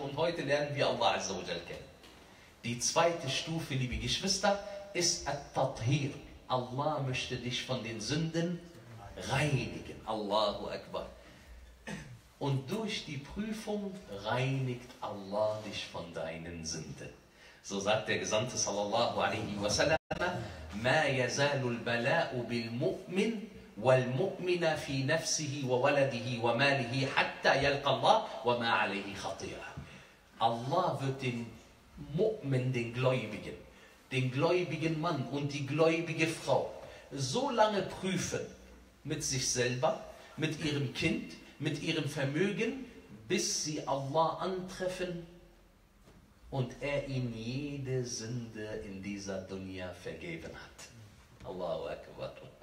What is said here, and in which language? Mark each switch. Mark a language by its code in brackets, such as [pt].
[de] Und heute lernen wir Allah Azza wa Jalla kennen. Die zweite Stufe, liebe Geschwister, ist At-Tathir. Allah möchte dich von den Sünden reinigen. Allahu Akbar. Und durch die Prüfung reinigt Allah dich von deinen Sünden. So sagt der Gesandte [ar] sallallahu alaihi wa sallam, مَا يَزَالُ الْبَلَاءُ بِالْمُؤْمِنِ وَالْمُؤْمِنَ فِي نَفْسِهِ وَوَلَدِهِ وَمَالِهِ حَتَّى يَلْقَ اللَّهُ وَمَا عَلَيْهِ خَطِيرًا. [de] Allah wird den Mu'min, den gläubigen Mann und die gläubige Frau so lange prüfen mit sich selber, mit ihrem Kind, mit ihrem Vermögen, bis sie Allah antreffen und er ihnen jede Sünde in dieser Dunya vergeben hat. Allahu Akbar.